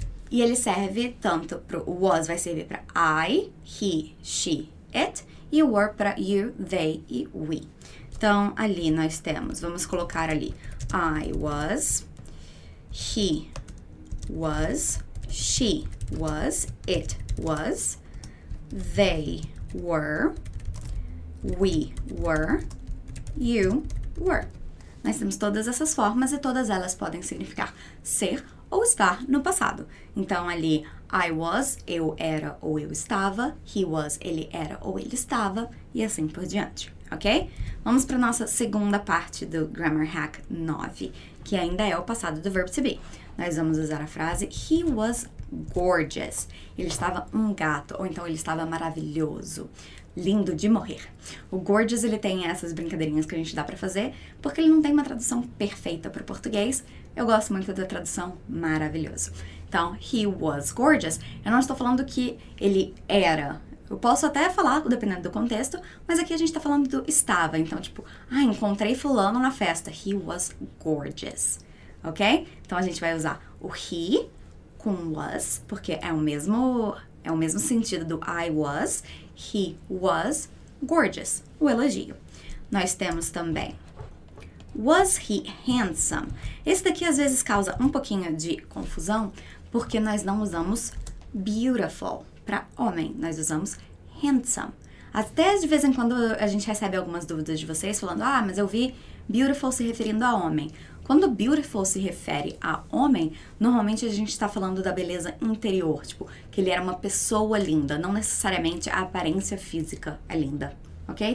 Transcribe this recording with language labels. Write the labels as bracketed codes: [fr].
[pt] E ele serve tanto para o was, vai servir para I, he, she, it, e o were para you, they e we. Então, ali nós temos, vamos colocar ali, [en] I was, he was, she was, it was, they were, we were, you were. [pt] Nós temos todas essas formas e todas elas podem significar ser ou estar no passado. Então, ali, [en] I was, [pt] eu era ou eu estava, [en] he was, [pt] ele era ou ele estava, e assim por diante, ok? Vamos para a nossa segunda parte do Grammar Hack 9, que ainda é o passado do verbo to be. Nós vamos usar a frase [en] he was gorgeous. [pt] Ele estava um gato, ou então ele estava maravilhoso, lindo de morrer. O gorgeous, ele tem essas brincadeirinhas que a gente dá para fazer, porque ele não tem uma tradução perfeita para o português. Eu gosto muito da tradução maravilhoso. Então, [en] he was gorgeous. [pt] Eu não estou falando que ele era. Eu posso até falar, dependendo do contexto, mas aqui a gente está falando do estava. Então, tipo, ah, encontrei fulano na festa. [en] He was gorgeous. [pt] Ok? Então, a gente vai usar o he com was, porque é o mesmo sentido do I was. [en] He was gorgeous. [pt] O elogio. Nós temos também, [en] was he handsome? [pt] Esse daqui, às vezes, causa um pouquinho de confusão, porque nós não usamos beautiful para homem. Nós usamos handsome. Até, de vez em quando, a gente recebe algumas dúvidas de vocês, falando, ah, mas eu vi beautiful se referindo a homem. Quando beautiful se refere a homem, normalmente a gente está falando da beleza interior, tipo, que ele era uma pessoa linda, não necessariamente a aparência física é linda, ok?